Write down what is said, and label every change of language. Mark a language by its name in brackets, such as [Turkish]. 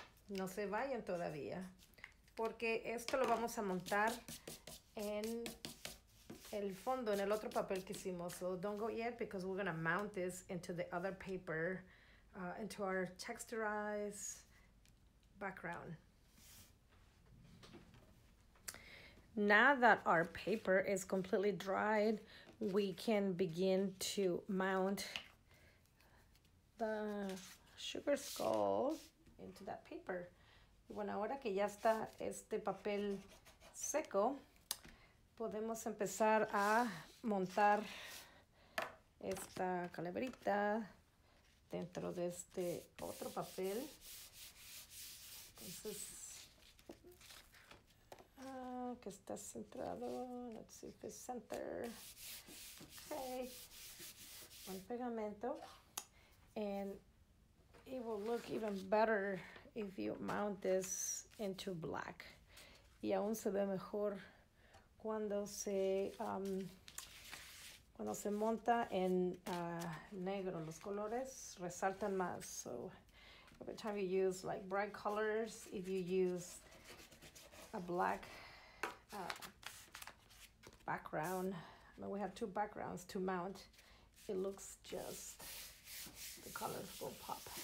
[Spanish] No se vayan todavía, porque esto lo vamos a montar en el fondo, en el otro papel que hicimos. [English] So don't go yet, because we're gonna mount this into the other paper, into our texturized background. Now that our paper is completely dried, we can begin to mount the sugar skull into that paper. [Spanish] Bueno, ahora que ya está este papel seco, podemos empezar a montar esta calaverita dentro de este otro papel. Entonces, que está centrado. [English] Let's see if it's center. Okay. [Spanish] Buen pegamento. [English] And it will look even better if you mount this into black. [Spanish] Y aún se ve mejor cuando se monta en negro. Los colores resaltan más. [English] So every time you use like bright colors, if you use a black background, I mean, we have two backgrounds to mount, it looks just, the colors will pop.